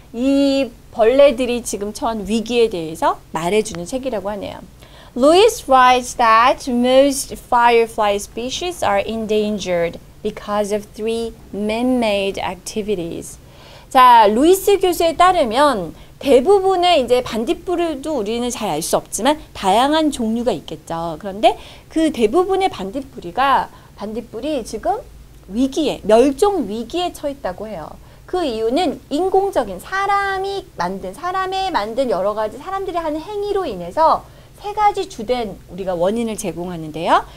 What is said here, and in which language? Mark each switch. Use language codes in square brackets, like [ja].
[ko] 이 벌레들이 지금 처한 위기에 대해서 말해주는 책이라고 하네요. [en] Lewis writes that most firefly species are endangered because of three man-made activities. [ko] 자, 루이스 교수에 따르면 대부분의 이제 반딧불도 우리는 잘 알 수 없지만 다양한 종류가 있겠죠. 그런데 그 대부분의 반딧불이 지금 위기에, 멸종 위기에 처했다고 해요. 그 이유는 인공적인 사람이 만든 여러 가지 사람들이 하는 행위로 인해서 세 가지 주된 우리가 원인을 제공하는데요.